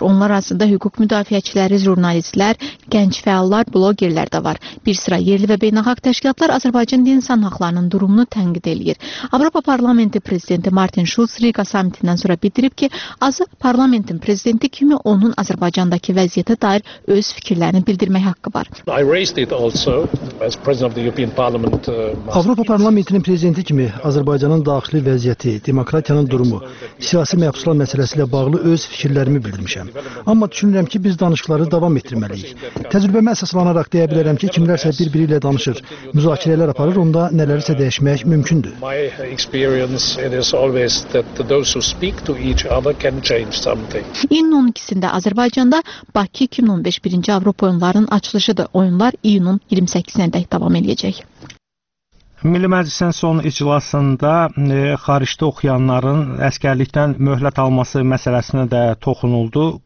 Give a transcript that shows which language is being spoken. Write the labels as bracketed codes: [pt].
[az] Onlar arasında hüquq müdafiəçiləri, jurnalistlər, gənc fəallar, blogerlər də var. Bir sıra yerli və beynəlxalq təşkilatlar Azərbaycanda insan haqlarının durumunu tənqid edir. Avropa Parlamenti Prezidenti Martin Schulz Riga samitindən sonra bildirib ki, azı parlamentin prezidenti kimi onun Azərbaycandakı vəziyyətə dair öz fikirlərini bildirmək haqqı var. [en] I raised it also as president of the European Parliament. [az] Avropa Parlamentinin prezidenti kimi Azərbaycanın daxili vəziyyəti, demokratiyanın durumu, siyasi məhbuslar məsələsi ilə bağlı öz fikirlərimi bildirmişəm. Amma düşünürəm ki, biz danışıqları davam etdirməliyik. Təcrübəmə əsaslanaraq deyə bilərəm ki, kimlərsə bir-biri ilə danışır, müzakirələr aparır, onda nələrisə dəyişmək mümkündür. [en] My experience is always that those who speak to each other can change something. [az] İyunun 12-sində Azərbaycanda Bakı 2015 birinci Avropa oyunlarının açılışıdır. Oyunlar iyunun 28-sinə dək davam edəcək. Milli Məclisin son iclasında xaricdə oxuyanların əskərlikdən möhlət alması məsələsinə də toxunuldu.